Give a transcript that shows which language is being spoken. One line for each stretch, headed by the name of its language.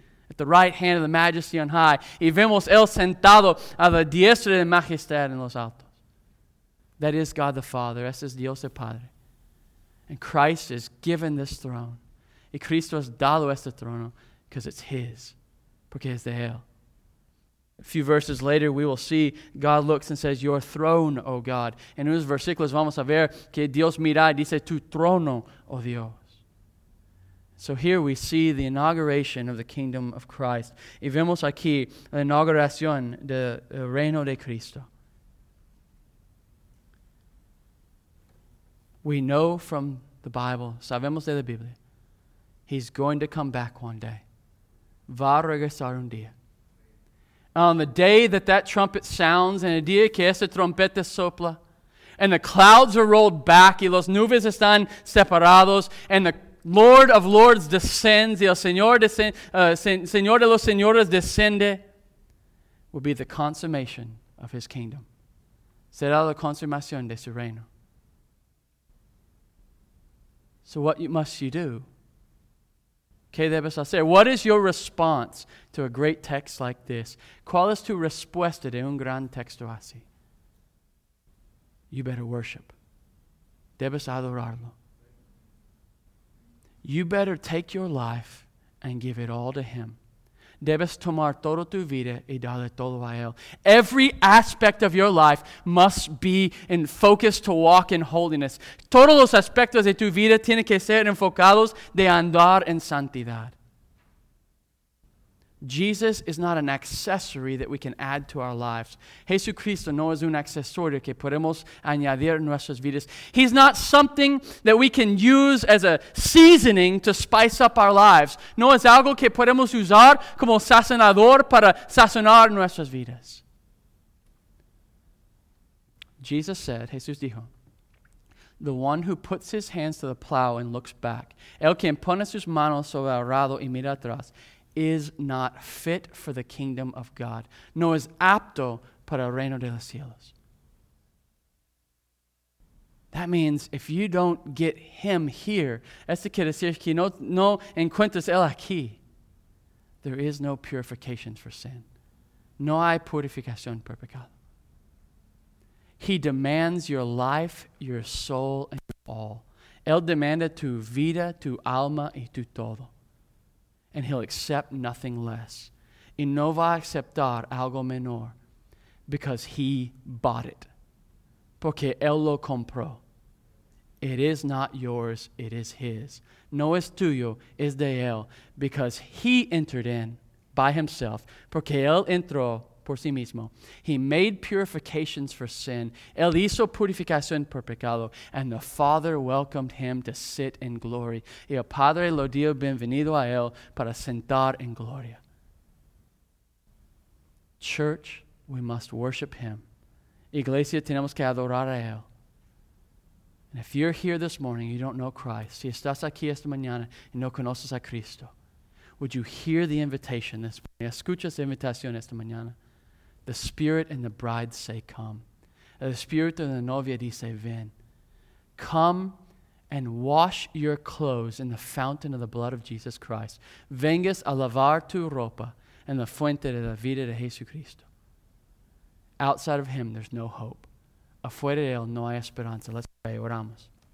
English: At the right hand of the majesty on high.
Spanish: Y vemos él sentado a la diestra de majestad en los altos.
English: That is God the Father.
Spanish: Ese es Dios el Padre.
English: And Christ is given this throne.
Spanish: Y Cristo es dado este trono
English: because it's his.
Spanish: Porque es de él.
English: A few verses later, we will see God looks and says, "Your throne, O God."
Spanish: En unos versículos vamos a ver que Dios mira y dice, "Tu trono, O Dios."
English: So here we see the inauguration of the kingdom of Christ.
Spanish: Y vemos aquí la inauguración del reino de Cristo.
English: We know from the Bible,
Spanish: sabemos de la Biblia,
English: he's going to come back one day. Va a regresar un día. On the day that that trumpet sounds,
Spanish: en el día que esa trompeta sopla,
English: and the clouds are rolled back,
Spanish: y los nubes están separados,
English: and the Lord of Lords descends,
Spanish: y el Señor, Señor de los Señores descende,
English: will be the consummation of his kingdom.
Spanish: Será la consumación de su reino.
English: So what must you do?
Spanish: ¿Qué debes hacer?
English: What is your response to a great text like this?
Spanish: ¿Cuál es tu respuesta de un gran texto así?
English: You better worship.
Spanish: Debes adorarlo.
English: You better take your life and give it all to him.
Spanish: Debes tomar toda tu vida y darle todo a él.
English: Every aspect of your life must be in focus to walk in holiness.
Spanish: Todos los aspectos de tu vida tienen que ser enfocados de andar en santidad.
English: Jesus is not an accessory that we can add to our lives.
Spanish: Jesucristo no es un accesorio que podemos añadir en nuestras vidas.
English: He's not something that we can use as a seasoning to spice up our lives.
Spanish: No es algo que podemos usar como sazonador para sazonar nuestras vidas.
English: Jesus said,
Spanish: Jesús dijo,
English: "The one who puts his hands to the plow and looks back,
Spanish: el quien pone sus manos sobre el arado y mira atrás,
English: is not fit for the kingdom of God,
Spanish: no es apto para el reino de los cielos."
English: That means if you don't get him here,
Spanish: esto quiere decir que no encuentras él aquí,
English: there is no purification for sin.
Spanish: No hay purificación por pecado.
English: He demands your life, your soul, and your all.
Spanish: Él demanda tu vida, tu alma, y tu todo.
English: And he'll accept nothing less.
Spanish: Y no va a aceptar algo menor.
English: Because he bought it.
Spanish: Porque él lo compró.
English: It is not yours, it is his.
Spanish: No es tuyo, es de él.
English: Because he entered in by himself.
Spanish: Porque él entró por sí mismo.
English: He made purifications for sin.
Spanish: Él hizo purificación por pecado.
English: And the Father welcomed him to sit in glory.
Spanish: Y el Padre lo dio bienvenido a él para sentar en gloria.
English: Church, we must worship him.
Spanish: Iglesia, tenemos que adorar a él.
English: And if you're here this morning, you don't know Christ.
Spanish: Si estás aquí esta mañana y no conoces a Cristo,
English: would you hear the invitation this morning?
Spanish: Escucha esta invitación esta mañana.
English: The Spirit and the Bride say, "Come."
Spanish: El Espíritu y la Novia dice, "Ven."
English: Come and wash your clothes in the fountain of the blood of Jesus Christ.
Spanish: Vengas a lavar tu ropa en la fuente de la vida de Jesucristo.
English: Outside of him, there's no hope.
Spanish: Afuera de él, no hay esperanza.
English: Let's pray.
Spanish: Oramos.